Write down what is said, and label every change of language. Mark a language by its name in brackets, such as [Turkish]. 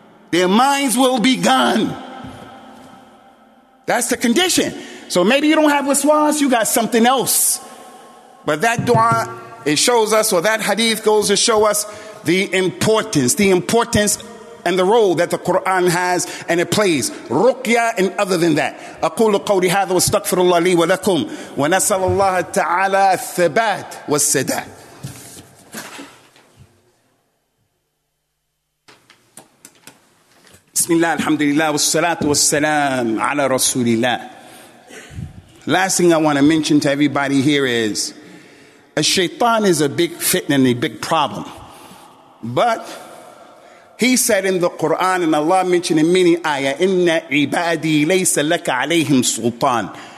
[English] Their minds will be gone. That's the condition. So maybe you don't have waswas, you got something else. But that dua, it shows us, or that hadith goes to show us the importance and the role that the Quran has and it plays. Ruqya and other than that. [Arabic] أقول قولي هذا واستغفر الله لي ولكم ونسأل الله تعالى الثبات والسداد. بسم الله الحمد لله والصلاة والسلام على رسول الله. [English] Last thing I want to mention to everybody here is a shaitan is a big fitna and a big problem. But he said in the Quran, and Allah mentioned in many ayah, [Arabic] inna ibadi laysa laka alayhim sultan.